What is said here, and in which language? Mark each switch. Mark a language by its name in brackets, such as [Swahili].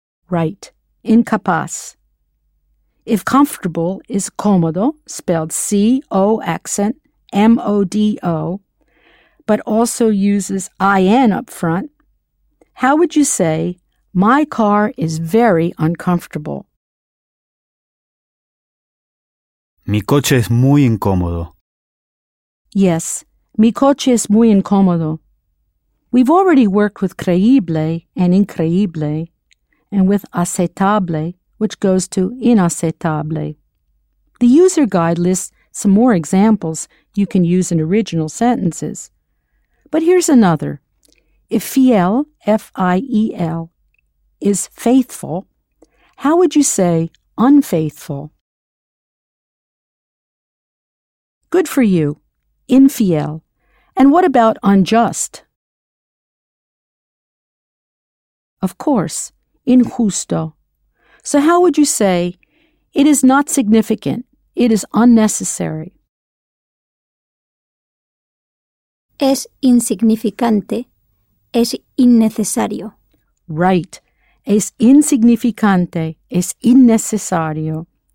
[English] Right, incapaz. If comfortable is cómodo, spelled C-O accent, M-O-D-O, but also uses I-N up front, how would you say, my car is very uncomfortable? [Spanish] Mi coche es muy incómodo. Yes, mi coche es muy incómodo. [English] We've already worked with creíble and increíble, and with aceptable, which goes to inaceptable. The user guide lists some more examples you can use in original sentences. But here's another. If fiel, F-I-E-L, is faithful, how would you say unfaithful? Good for you. Infiel. And what about unjust? Of course, injusto. So how would you say, it is not significant, it is unnecessary? [Spanish] Es insignificante, es innecesario. [English] Right. [Spanish] Es insignificante, es innecesario.